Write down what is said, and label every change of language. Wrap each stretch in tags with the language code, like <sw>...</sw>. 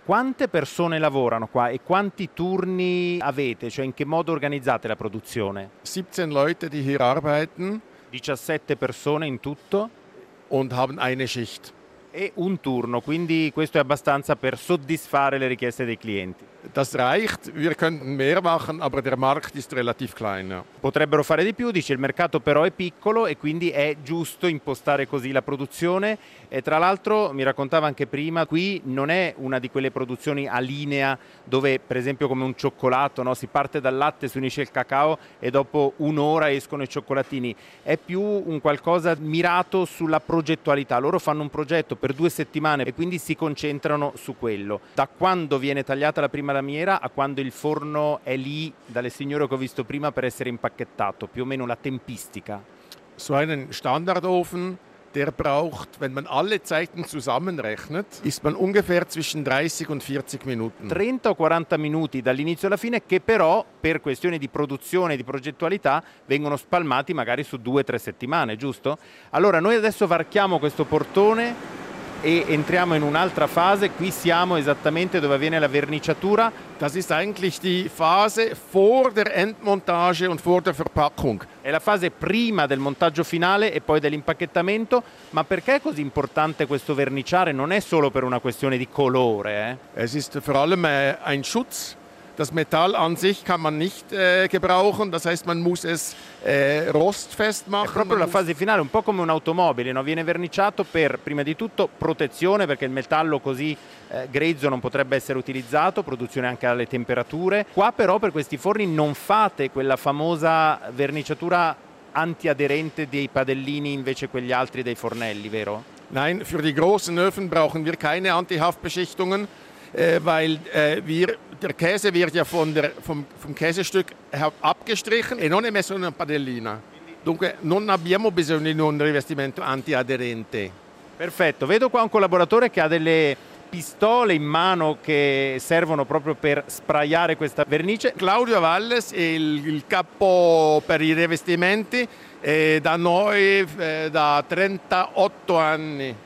<it>Quante persone lavorano qua e quanti turni avete? Cioè in che modo organizzate la produzione?</it> <de>17 Leute die hier arbeiten.</de> <it>17 persone in tutto.</it> <de>Und haben eine Schicht.</de> <it>E un turno, quindi questo è abbastanza per soddisfare le richieste dei clienti.</it> <de>Das reicht, wir könnten mehr machen, aber der Markt ist relativ klein.</de> <it>Potrebbero fare di più, dice, il mercato però è piccolo e quindi è giusto impostare così la produzione. E tra l'altro, mi raccontava anche prima, qui non è una di quelle produzioni a linea dove, per esempio, come un cioccolato, no? Si parte dal latte, si unisce il cacao e dopo un'ora escono i cioccolatini. È più un qualcosa mirato sulla progettualità. Loro fanno un progetto per 2 settimane e quindi si concentrano su quello. Da quando viene tagliata la prima lamiera a quando il forno è lì dalle signore che ho visto prima per essere impacchettato, più o meno la tempistica.</it> <de>So einen Standardofen, der braucht, wenn man alle Zeiten zusammenrechnet, ist man ungefähr zwischen 30 und 40 Minuten.</de> <it>30 o 40 minuti dall'inizio alla fine, che però per questione di produzione e di progettualità vengono spalmati magari su 2 o 3 settimane, giusto? Allora noi adesso varchiamo questo portone e entriamo in un'altra fase. Qui siamo esattamente dove avviene la verniciatura.</it> <de>Das ist eigentlich die Phase vor der Endmontage und vor der Verpackung.</de> <it>È la fase prima del montaggio finale e poi dell'impacchettamento. Ma perché è così importante questo verniciare? Non è solo per una questione di colore, eh?</it> <de>Es ist vor allem ein Schutz. Das Metall an sich kann man nicht gebrauchen, das heißt man muss es rostfest machen.</de> <it>È proprio la fase finale, un po' come un'automobile, no? Viene verniciato per, prima di tutto, protezione, perché il metallo così grezzo non potrebbe essere utilizzato, produzione anche alle temperature. Qua però per questi forni non fate quella famosa verniciatura antiaderente dei padellini invece quegli altri dei fornelli, vero?</it> <de>Nein, für die großen Öfen brauchen wir keine Antihaftbeschichtungen. Weil wir der Käse wird ja von der vom Käsestück abgestrichen</de> <it>e non è messo in una padellina. Dunque non abbiamo bisogno di un rivestimento antiaderente. Perfetto, vedo qua un collaboratore che ha delle pistole in mano che servono proprio per sprayare questa vernice. Claudio Valles, il capo per i rivestimenti, è da noi da 38 anni.</it>